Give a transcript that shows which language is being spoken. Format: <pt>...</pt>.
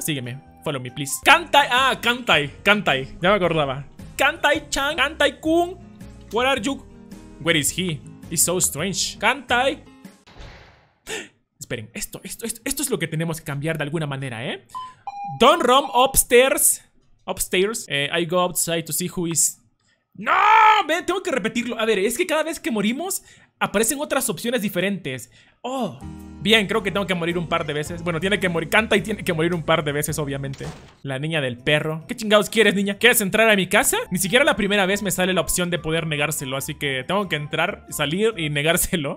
<es>Sígueme.</es> <en>Follow me, please. Kantai. Ah, Kantai. Kantai.</en> <es>Ya me acordaba.</es> <en>Kantai-chan. Kantai-kun. What are you? Where is he? It's so strange. Kantai.</en> <es>Esperen, esto es lo que tenemos que cambiar de alguna manera, ¿eh?</es> <en>Don't roam upstairs. I go outside to see who is.</en> <es>¡No! Ven, tengo que repetirlo. A ver, es que cada vez que morimos aparecen otras opciones diferentes. Oh, bien, creo que tengo que morir un par de veces. Bueno, tiene que morir. Kantai tiene que morir un par de veces, obviamente. La niña del perro. ¿Qué chingados quieres, niña? ¿Quieres entrar a mi casa? Ni siquiera la primera vez me sale la opción de poder negárselo. Así que tengo que entrar, salir y negárselo.</es>